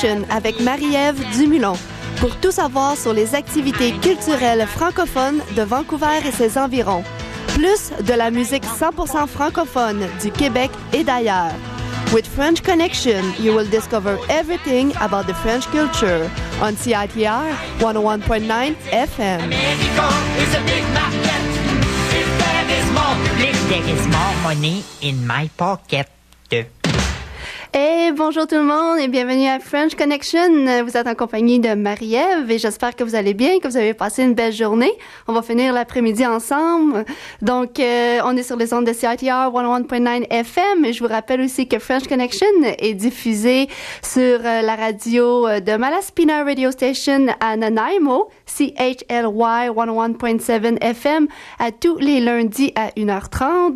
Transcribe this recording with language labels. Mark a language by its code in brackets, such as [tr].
[fr] Avec Marie-Ève Dumulon pour tout savoir sur les activités culturelles francophones de Vancouver et ses environs, plus de la musique 100% francophone du Québec et d'ailleurs. [en] With French Connection, you will discover everything about the French culture on CITR 101.9 FM. [fr] Hey, bonjour tout le monde et bienvenue à French Connection. Vous êtes en compagnie de Marie-Ève et j'espère que vous allez bien, que vous avez passé une belle journée. On va finir l'après-midi ensemble. Donc, on est sur les ondes de CITR 101.9 FM. Je vous rappelle aussi que French Connection est diffusé sur la radio de Malaspina Radio Station à Nanaimo, CHLY 101.7 FM, à tous les lundis à 1h30.